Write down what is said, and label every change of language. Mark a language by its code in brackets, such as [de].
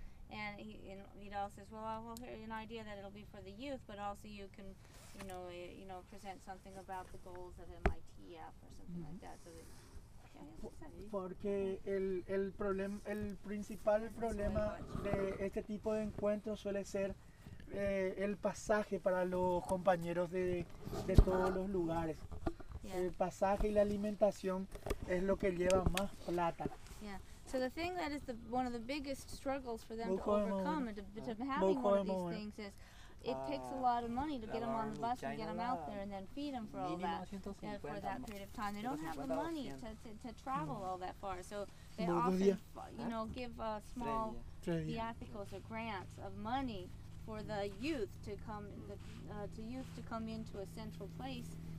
[en] And he all says, well, here's an idea that it'll be for the youth, but also you can, you know, present something about the goals of MITF or something like that. So that [es] porque el principal problema de este tipo de encuentros suele ser el pasaje para los compañeros de todos los lugares. [en] Yeah. [es] El pasaje y la alimentación es lo que lleva más plata. [en] Yeah. So the thing that is one of the biggest struggles for them to overcome and to having one of these things is it takes a lot of money to get them on the bus and get them out there and then feed them for all that, for that period of time. They don't have the money to travel all that far. So they often, you know, give small theatricals or grants of money for the youth to come, to come into a central place.